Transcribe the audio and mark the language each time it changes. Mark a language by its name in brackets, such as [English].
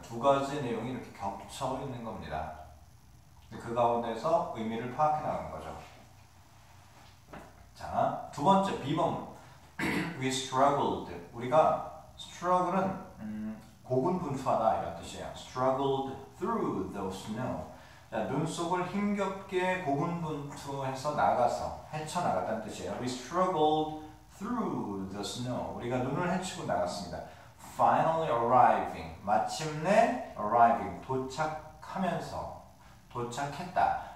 [Korean] 두 가지의 내용이 이렇게 겹쳐 있는 겁니다. 그 가운데서 의미를 파악해 나가는 거죠. 자, 두 번째 B번 [English] we struggled [Korean] 우리가 struggle은 고군분투하다 이런 뜻이에요. [English] struggled through the snow. [Korean] 자, 눈 속을 힘겹게 고군분투해서 나가서 헤쳐나갔다는 뜻이에요. [English] We struggled through the snow. [Korean] 우리가 눈을 헤치고 나갔습니다. [English] Finally arriving. [Korean] 마침내 arriving. 도착하면서 도착했다.